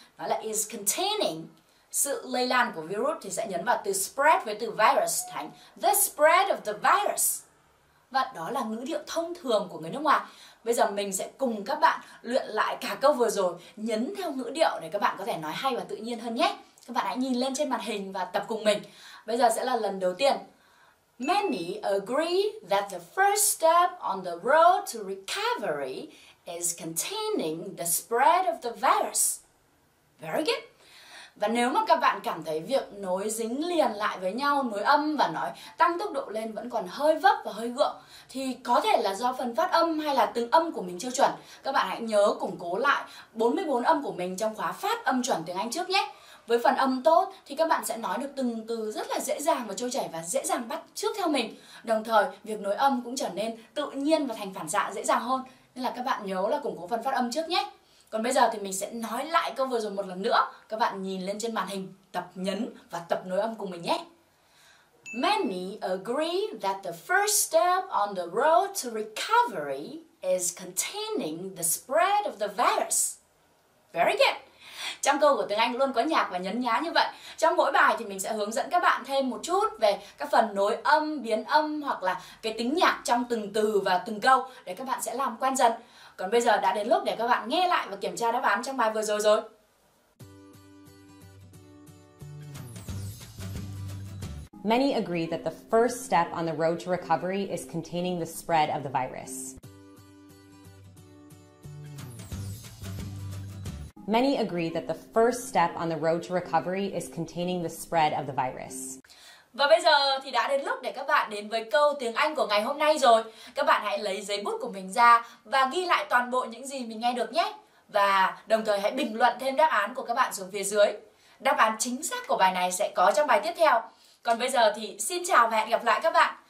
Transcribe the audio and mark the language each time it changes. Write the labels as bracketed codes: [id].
[vi] Nó là [en] is containing. [vi] Sự lây lan của virus thì sẽ nhấn vào từ spread với từ virus thành [en] the spread of the virus. [vi] và đó là ngữ điệu thông thường của người nước ngoài. Bây giờ mình sẽ cùng các bạn luyện lại cả câu vừa rồi, nhấn theo ngữ điệu để các bạn có thể nói hay và tự nhiên hơn nhé. Các bạn hãy nhìn lên trên màn hình và tập cùng mình. Bây giờ sẽ là lần đầu tiên. [en] Many agree that the first step on the road to recovery is containing the spread of the virus. Very good. [vi] Và nếu mà các bạn cảm thấy việc nối dính liền lại với nhau, nối âm và nói tăng tốc độ lên vẫn còn hơi vấp và hơi gượng thì có thể là do phần phát âm hay là từng âm của mình chưa chuẩn. Các bạn hãy nhớ củng cố lại 44 âm của mình trong khóa phát âm chuẩn tiếng Anh trước nhé. Với phần âm tốt thì các bạn sẽ nói được từng từ rất là dễ dàng và trôi chảy và dễ dàng bắt chước theo mình. Đồng thời, việc nối âm cũng trở nên tự nhiên và thành phản xạ dễ dàng hơn. Nên là các bạn nhớ là củng cố phần phát âm trước nhé. Còn bây giờ thì mình sẽ nói lại câu vừa rồi một lần nữa. Các bạn nhìn lên trên màn hình, tập nhấn và tập nối âm cùng mình nhé. [en] Many agree that the first step on the road to recovery is containing the spread of the virus. Very good. [vi] Trong câu của tiếng Anh luôn có nhạc và nhấn nhá như vậy. Trong mỗi bài thì mình sẽ hướng dẫn các bạn thêm một chút về các phần nối âm, biến âm hoặc là cái tính nhạc trong từng từ và từng câu để các bạn sẽ làm quen dần. Còn bây giờ đã đến lúc để các bạn nghe lại và kiểm tra đáp án trong bài vừa rồi rồi. [en] Many agree that the first step on the road to recovery is containing the spread of the virus. Many agree that the first step on the road to recovery is containing the spread of the virus. [vi] Và bây giờ thì đã đến lúc để các bạn đến với câu tiếng Anh của ngày hôm nay rồi. Các bạn hãy lấy giấy bút của mình ra và ghi lại toàn bộ những gì mình nghe được nhé. Và đồng thời hãy bình luận thêm đáp án của các bạn xuống phía dưới. Đáp án chính xác của bài này sẽ có trong bài tiếp theo. Còn bây giờ thì xin chào và hẹn gặp lại các bạn.